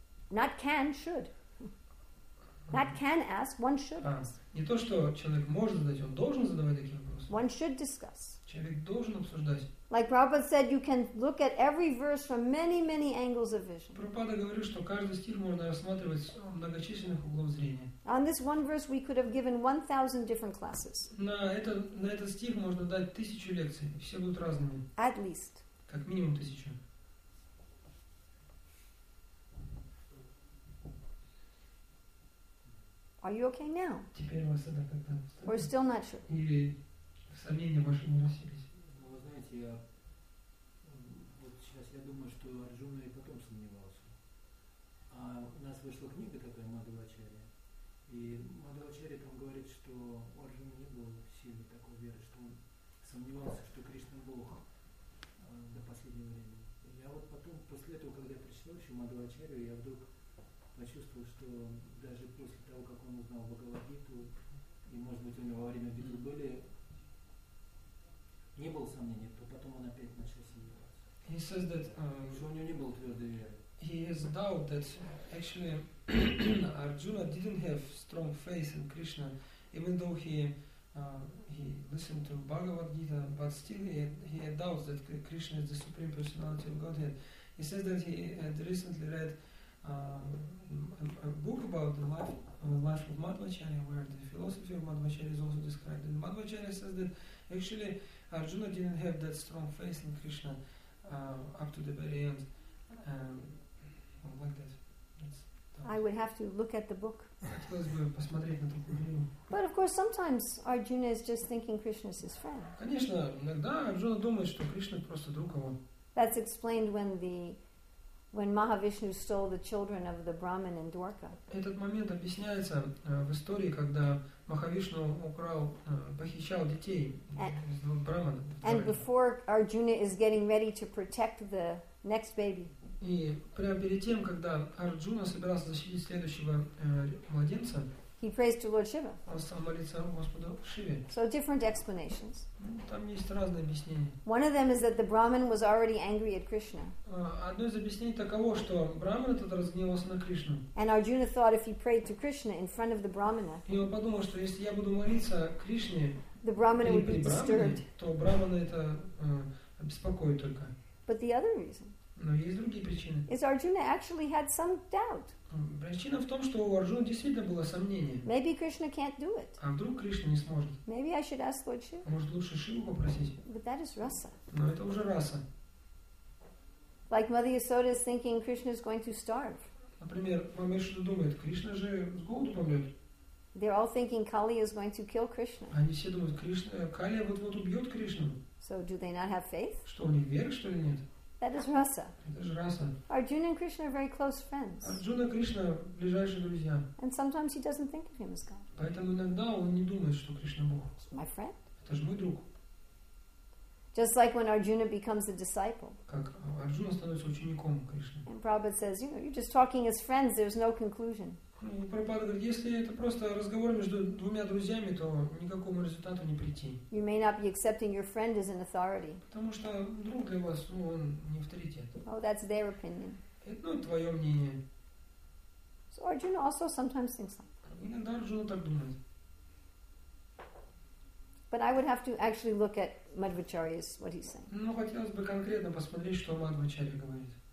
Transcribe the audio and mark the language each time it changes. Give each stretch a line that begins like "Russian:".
English: Not can, should. Not can ask, one should ask.
Russian: Не то, что человек может задать, он должен задавать такие вопросы.
English: One should discuss.
Russian: Человек должен обсуждать.
English: Like Prabhupada said, you can look at every verse from many, many angles of vision.
Russian: Прабхупада говорит, что каждый стих можно рассматривать с многочисленных углов зрения.
English: On this one verse, we could have given 1,000 different classes.
Russian: На этот стих можно дать 1,000 лекций, все будут разными.
English: At least.
Russian: Как минимум 1,000.
English: Are you okay now?
Russian: Теперь у вас это как-то.
English: Or still not sure.
Russian: Или сомнения ваши не рассеялись. Ну, вы знаете, я вот сейчас я думаю, что Арджуна и потом сомневался. А у нас вышла книга такая, Мадхавачарья. И Мадхавачарья там говорит, что у Арджуны не было силы такой веры, что он сомневался, что Кришна Бог до последнего времени. И я вот потом, после этого, когда я прочитал еще Мадхавачарью, я вдруг почувствовал, что даже после того, как он узнал Бхагавад-гиту, и, может быть, у него во время битвы были, не было сомнений, то потом он опять начал сомневаться.
English: He says that,
Russian: что у него не было твердой веры.
English: He has doubt that actually Arjuna didn't have strong faith in Krishna, even though he listened to Bhagavad Gita, but still he had doubts that Krishna is the supreme personality of Godhead. He says that he had recently read a book about the life of Madhvacharya, where the philosophy of Madhvacharya is also described. And Madhvacharya says that actually Arjuna didn't have that strong faith in Krishna up to the very end. Like that. I would have to look at the book.
Russian: Хотелось бы посмотреть на такую книгу.
English: But of course, sometimes Arjuna is just thinking Krishna is his friend.
Russian: Конечно, иногда Арджуна думает, что Кришна просто друг его.
English: That's explained when Mahavishnu stole the children of the Brahmin in Dwarka.
Russian: Этот момент объясняется в истории, когда Махавишну украл, похищал детей из Брамана.
English: And before Arjuna is getting ready to protect the next baby.
Russian: И прямо перед тем, когда Арджуна собирался защитить следующего младенца.
English: He prays to Lord Shiva.
Russian: Он стал молиться Господу Шиве.
English: So different explanations.
Russian: Там есть разные объяснения.
English: One of them is that the Brahmin was already angry at Krishna.
Russian: Одно из объяснений таково, что Брахман этот разгневался на Кришну.
English: And Arjuna thought if he prayed to Krishna in front of the Brahmana.
Russian: И он подумал, что если я буду молиться Кришне,
English: the Brahmana would be disturbed.
Russian: То Брахмана это беспокоит только.
English: But the other reason.
Russian: Но есть другие причины.
English: Is Arjuna actually had some doubt?
Russian: Причина в том, что у Арджуны действительно было сомнение.
English: Maybe Krishna can't do it.
Russian: А вдруг Кришна не сможет?
English: Maybe I should ask Lord Shiva.
Russian: Может лучше Шиву попросить?
English: But that is rasa.
Russian: Но это уже раса.
English: Like Mother Yasoda is thinking Krishna is going to starve.
Russian: Например, мама Яшода думает, Кришна же с голоду помрет.
English: They're all thinking Kali is going to kill Krishna.
Russian: Они все думают, Кали вот-вот убьет Кришну.
English: So do they not have faith?
Russian: Что у них веры что ли нет?
English: That is rasa.
Russian: Это же раса.
English: Arjuna and Krishna are very close friends.
Russian: Арджуна и Кришна ближайшие друзья.
English: And sometimes he doesn't think of him as God.
Russian: Поэтому иногда он не думает, что Кришна Бог.
English: He's my friend.
Russian: Это же мой друг.
English: Just like when Arjuna becomes a disciple.
Russian: Как Арджуна становится учеником Кришны.
English: And Prabhupada says, you know, you're just talking as friends. There's no conclusion.
Russian: Ну, Прабхупада говорит, если это просто разговор между двумя друзьями, то никакому результату не прийти.
English: You may not be accepting your friend as an authority.
Russian: Потому что друг для вас, ну, он не авторитет.
English: Oh, that's their opinion.
Russian: Это, ну, твое мнение.
English: So Arjuna also sometimes thinks like that.
Russian: Иногда Арджуна так думает.
English: But I would have to actually look at Madhvacharya's, what he's saying.
Russian: Ну, хотелось бы конкретно посмотреть, что Мадхвачарья говорит.